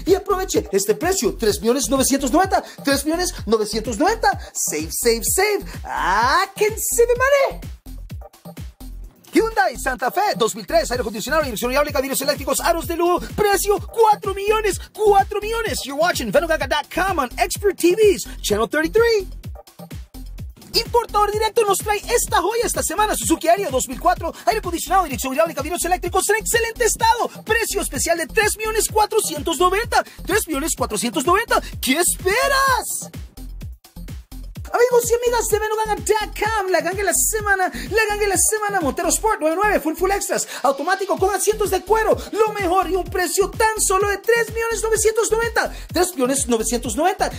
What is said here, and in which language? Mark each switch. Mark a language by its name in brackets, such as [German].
[Spanish] Y aproveche este precio, $3,990,000. ¡Save! ¡Ah, que se me Hyundai Santa Fe 2003, aire acondicionado, dirección hidráulica, vidrios eléctricos, aros de lujo, precio $4,000,000. [English] You're watching Venugaga.com on Expert TVs, Channel 33. [Spanish] Importador Directo nos trae esta joya esta semana, Suzuki Ariya 2004, aire acondicionado, dirección hidráulica, vidrios eléctricos en excelente estado, precio especial de $3,490,000. ¿Qué esperas? Amigos y amigas de Venuganga.com, la ganga de la semana, Montero Sport 99, full full extras, automático con asientos de cuero, lo mejor y un precio tan solo de $3,990,000.